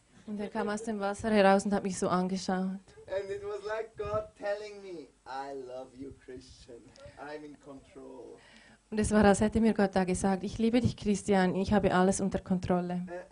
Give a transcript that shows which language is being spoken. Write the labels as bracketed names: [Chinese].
[German] Und er kam aus dem Wasser heraus und hat mich so angeschaut. [English] And it was like God telling me, I love you, Christian. I'm in control. [German] Und es war, als hätte mir Gott da gesagt, ich liebe dich, Christian, ich habe alles unter Kontrolle.